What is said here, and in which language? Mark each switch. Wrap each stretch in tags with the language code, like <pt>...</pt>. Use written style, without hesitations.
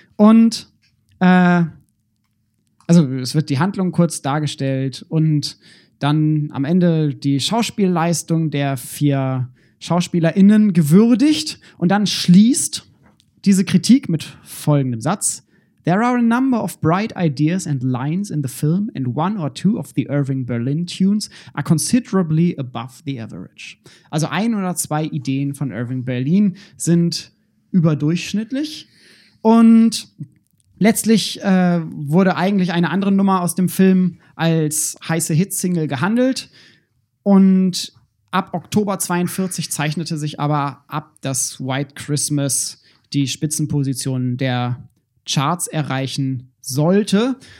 <de>Und es wird die Handlung kurz dargestellt und dann am Ende die Schauspielleistung der vier SchauspielerInnen gewürdigt und dann schließt diese Kritik mit folgendem Satz.</de> <en>There are a number of bright ideas and lines in the film and one or two of the Irving Berlin tunes are considerably above the average.</en> <de>Also ein oder zwei Ideen von Irving Berlin sind überdurchschnittlich und letztlich wurde eigentlich eine andere Nummer aus dem Film als heiße Hitsingle gehandelt und ab Oktober 42 zeichnete sich aber ab, dass White Christmas die Spitzenposition der Charts erreichen sollte.</de>